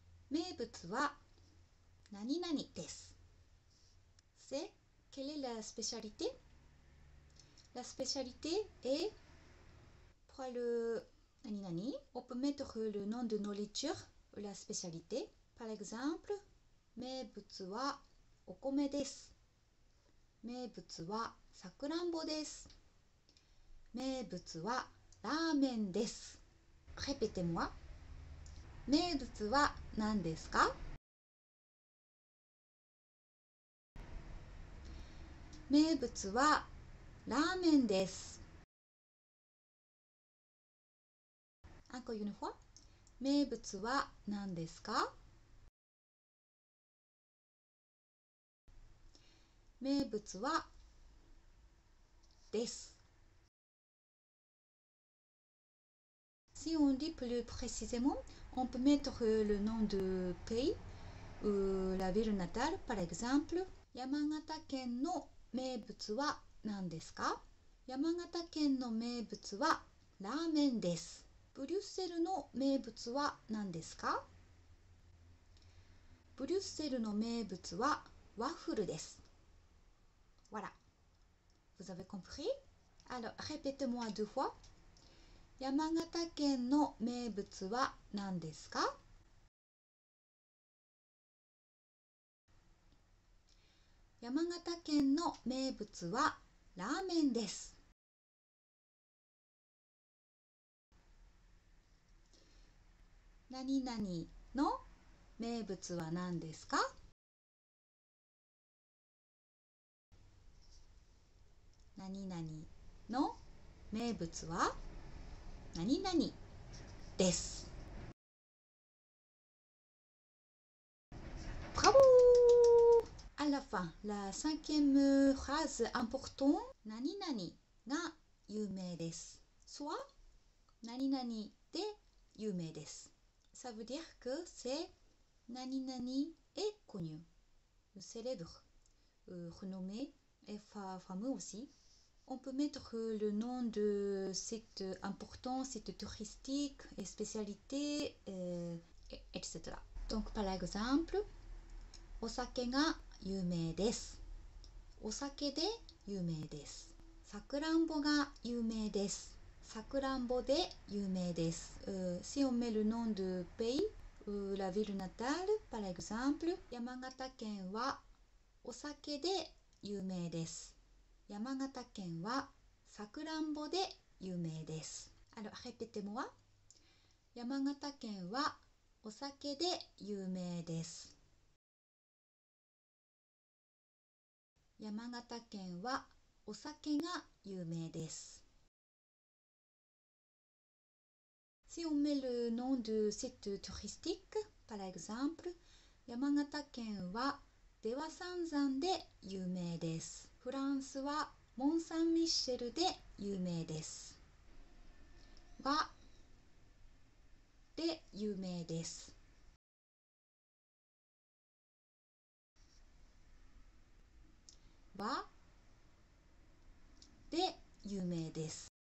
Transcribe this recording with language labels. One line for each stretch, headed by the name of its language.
Japanese: 名物は何々です。
French: C'est quelle est la spécialité? La spécialité est pour le 何々? On peut mettre le nom de nourriture ou la spécialité. Par exemple,
Japanese: 名物はお米です。名物はさくらんぼです。名物はラーメンです。
French: Répétez-moi.
Japanese: 名物は何ですか？名物はラーメンです。
French: Encore une fois、
Japanese: 名物は何ですか？名物はです。
French: Si on dit plus précisément,On peut mettre le nom de pays ou la ville natale, par exemple.
Japanese: 山形県の名物は何ですか？山形県の名物はラーメンです。ブリュッセルの名物は何ですか？ブリュッセルの名物はワッフルです。
French: Voilà. Vous avez compris? Alors, répétez-moi deux fois.
Japanese: 山形県の名物は何ですか？山形県の名物はラーメンです。何々の名物は何ですか？何々の名物は何々です。
French: Bravo! À la fin, la cinquième phrase importante
Japanese: 何々が有名です。
French: Soit
Japanese: 何々で有名です。
French: Ça veut dire que c'est 何々 est connu, célèbre, renommé et fameux aussi. On peut mettre le nom de site important, site touristique, et spécialité, etc. Donc, par exemple,
Japanese: お酒が有名です。お酒で有名です。さくらんぼが有名です。さくらんぼで有名です。
French: Si on met le nom de pays, ou la ville natale, par exemple,
Japanese: 山形県はお酒で有名です。山形県はさくらんぼで有名です。
French: Alors, répétez-moi.
Japanese: 山形県はお酒で有名です。山形県はお酒が有名です。
French: Si on met le nom de site touristique, par exemple,
Japanese: 山形県は出羽三山で有名です。フランスはモンサンミッシェルで有名です。和で有名です。和で有名です。